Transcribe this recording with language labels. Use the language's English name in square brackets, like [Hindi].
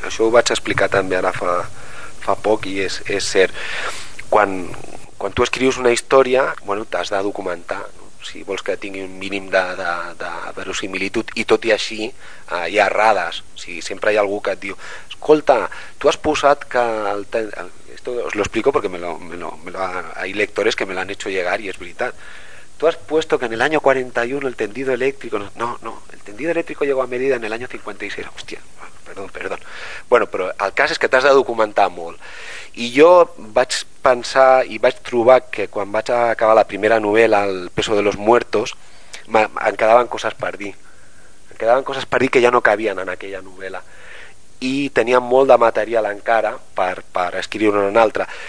[Catalan] Això ho vaig explicar també ara fa poc i és cert. Quan tu escrius una història, bueno, t'has de documentar, no? Si vols que tingui un mínim de verosimilitud, i tot i així hi ha errades. O sigui, sempre hi ha algú que et diu: escolta, tu has posat que... [Spanish] Esto os lo explico porque hay lectores que me lo han hecho llegar y es verdad. Tú has puesto que en el año 41 el tendido eléctrico... No, el tendido eléctrico llegó a Mérida en el año 56. Hostia, perdón. [Catalan] Bueno, però el cas és que t'has de documentar molt. I jo vaig pensar i vaig trobar que quan vaig acabar la primera novel·la, El peso de los muertos, em quedaven coses per dir. Em quedaven coses per dir que ja no cabien en aquella novel·la. I tenia molt de material encara per escriure una en altra.